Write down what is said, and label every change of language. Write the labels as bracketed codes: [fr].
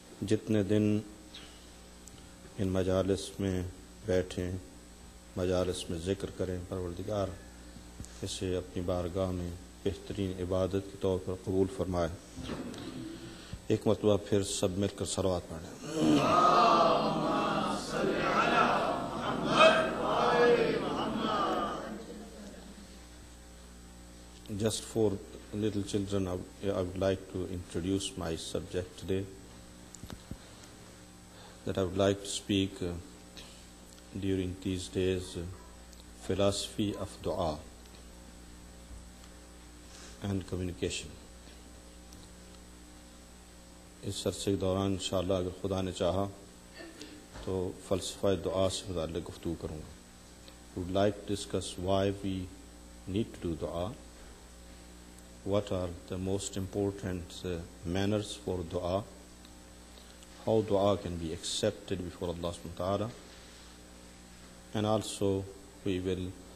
[ur] جتنے دن ان مجالس میں بیٹھیں مجالس میں ذکر کریں پروردگار اسے اپنی بارگاہ میں بہترین عبادت کے طور پر قبول فرمائے. ایک مرتبہ پھر سب مل کر صلوات پڑھیں. [ar] اللهم صل على محمد وآل محمد. [en] Just for little children, I would like to introduce my subject today, that I would like to speak during these days, philosophy of dua and communication. [ur] اس عرصے کے دوران انشاءاللہ اگر خدا نے چاہا تو فلسفہ دعا سے متعلق گفتگو کروں گا. [en] we would like to discuss why we need to do دعا, what are the most important manners for دعا, how دعا can be accepted before Allah سبحانہ وتعالیٰ, and also we will